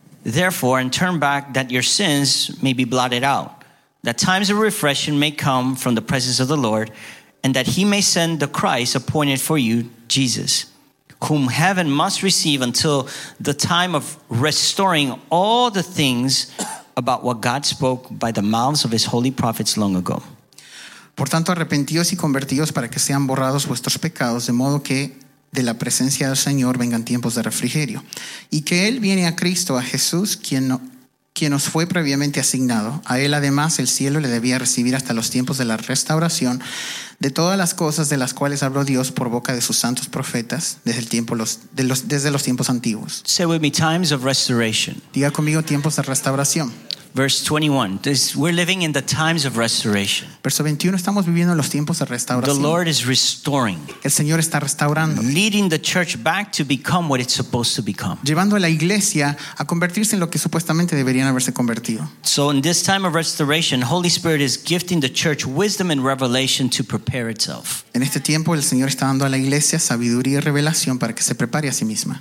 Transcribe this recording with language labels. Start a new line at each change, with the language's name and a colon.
English: Therefore, and turn back that your sins may be blotted out, that times of refreshing may come from the presence of the Lord, and that he may send the Christ appointed for you, Jesus, whom heaven must receive until the time of restoring all the things about what God spoke by the mouths of his holy prophets long ago.
Spanish: Por tanto, arrepentíos y convertíos para que sean borrados vuestros pecados, de modo que de la presencia del Señor vengan tiempos de refrigerio y que Él viene a Cristo, a Jesús, quien nos fue previamente asignado. A Él además el cielo le debía recibir hasta los tiempos de la restauración de todas las cosas de las cuales habló Dios por boca de sus santos profetas desde el tiempo desde los tiempos antiguos.
English: Say with me, times of restoration.
Spanish: Diga conmigo, tiempos de restauración.
English: Verse 21. We're living in the times of restoration.
Spanish: Verso 21, estamos viviendo en los tiempos de restauración.
English: The Lord is restoring.
Spanish: El Señor está restaurando.
English: Leading the church back to become what it's supposed to become.
Spanish: Llevando a la iglesia a convertirse en lo que supuestamente deberían haberse convertido.
English: So in this time of restoration, Holy Spirit is gifting the church wisdom and revelation to prepare itself.
Spanish: En este tiempo el Señor está dando a la iglesia sabiduría y revelación para que se prepare a sí misma.